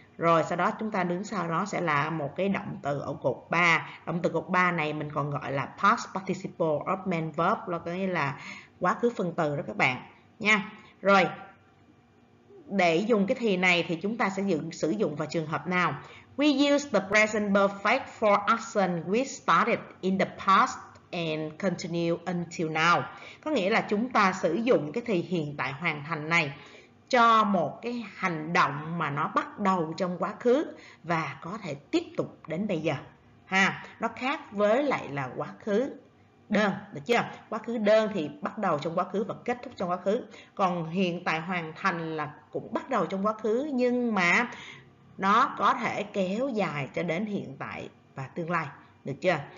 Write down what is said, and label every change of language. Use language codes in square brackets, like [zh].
[vi] Rồi sau đó chúng ta đứng sau đó sẽ là một cái động từ ở cột 3. Động từ cột 3 này mình còn gọi là [en] past participle of main verb, [vi] là có nghĩa là quá khứ phần từ đó các bạn nha. Rồi, để dùng cái thì này thì chúng ta sẽ sử dụng vào trường hợp nào? [en] We use the present perfect for action we started in the past and continue until now. [vi] Có nghĩa là chúng ta sử dụng cái thì hiện tại hoàn thành này cho một cái hành động mà nó bắt đầu trong quá khứ và có thể tiếp tục đến bây giờ. Ha, nó khác với lại là quá khứ đơn, được chưa? Quá khứ đơn thì bắt đầu trong quá khứ và kết thúc trong quá khứ. Còn hiện tại hoàn thành là cũng bắt đầu trong quá khứ nhưng mà nó có thể kéo dài cho đến hiện tại và tương lai, được chưa?